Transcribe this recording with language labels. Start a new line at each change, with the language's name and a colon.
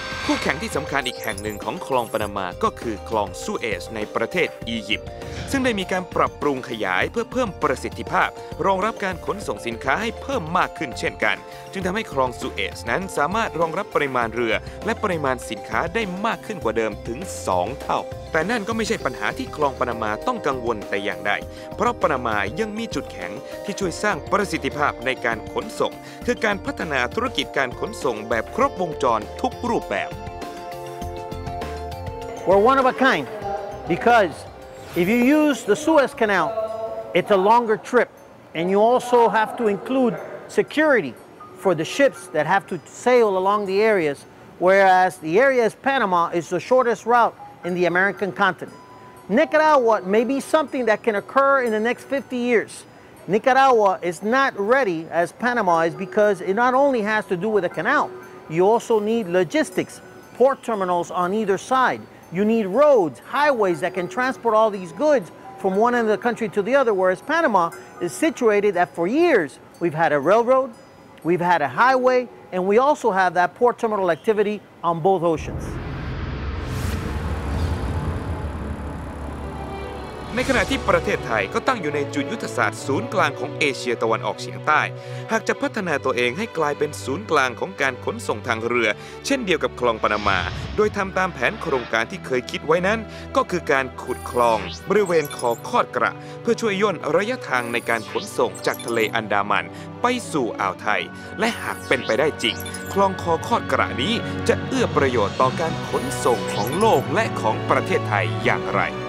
Thai: คู่แข่งที่สำคัญอีกแห่งหนึ่งของคลองปานามาก็คือคลองสุเอซในประเทศอียิปต์ซึ่งได้มีการปรับปรุงขยายเพื่อเพิ่มประสิทธิภาพรองรับการขนส่งสินค้าให้เพิ่มมากขึ้นเช่นกันจึงทำให้คลองสุเอซนั้นสามารถรองรับปริมาณเรือและปริมาณสินค้าได้มากขึ้นกว่าเดิมถึง2เท่าแต่นั่นก็ไม่ใช่ปัญหาที่คลองปานามาต้องกังวลแต่อย่างใด เพราะปานามายังมีจุดแข็งที่ช่วยสร้างประสิทธิภาพในการขนส่งคือการพัฒนาธุรกิจการขนส่งแบบครบวงจรทุกรูปแบบ
English: We're one of a kind because if you use the Suez Canal, it's a longer trip, and you also have to include security for the ships that have to sail along the areas, whereas the area is Panama is the shortest route in the American continent. Nicaragua may be something that can occur in the next 50 years. Nicaragua is not ready as Panama is because it not only has to do with a canal, you also need logistics, port terminals on either side. You need roads, highways that can transport all these goods from one end of the country to the other, whereas Panama is situated that for years we've had a railroad, we've had a highway, and we also have that port terminal activity on both oceans.
Thai: ในขณะที่ประเทศไทยก็ตั้งอยู่ในจุดยุทธศาสตร์ศูนย์กลางของเอเชียตะวันออกเฉียงใต้หากจะพัฒนาตัวเองให้กลายเป็นศูนย์กลางของการขนส่งทางเรือเช่นเดียวกับคลองปานามาโดยทำตามแผนโครงการที่เคยคิดไว้นั้นก็คือการขุดคลองบริเวณคอคอดกระเพื่อช่วยย่นระยะทางในการขนส่งจากทะเลอันดามันไปสู่อ่าวไทยและหากเป็นไปได้จริงคลองคอคอดกระนี้จะเอื้อประโยชน์ต่อการขนส่งของโลกและของประเทศไทยอย่างไร